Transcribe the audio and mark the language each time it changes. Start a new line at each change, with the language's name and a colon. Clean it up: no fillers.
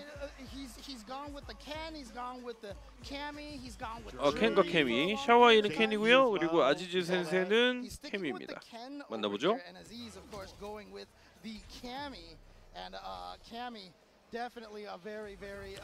English: Yeah, I mean, he's gone with the Ken, he's gone with the Cammy, he's gone with.
Korean: 켄과 캐미, 샤오하이는 켄이고요. 그리고 아지즈 센세는 캐미입니다. 만나보죠.
English: And Aziz, of course, going with the Cammy and Cammy, definitely a very, very.